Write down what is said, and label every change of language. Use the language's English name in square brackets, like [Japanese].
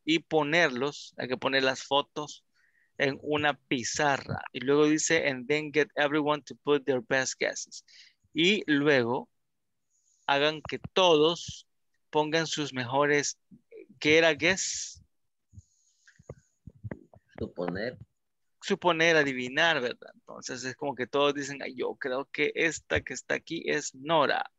[Spanish] Y ponerlos, hay que poner las fotos en una pizarra. Y luego dice, [English] and then get everyone to put their best guesses. [Spanish] Y luego, hagan que todos pongan sus mejores, ¿qué era guess? Suponer. Suponer, adivinar, ¿verdad? Entonces es como que todos dicen, ay, yo creo que esta que está aquí es Nora.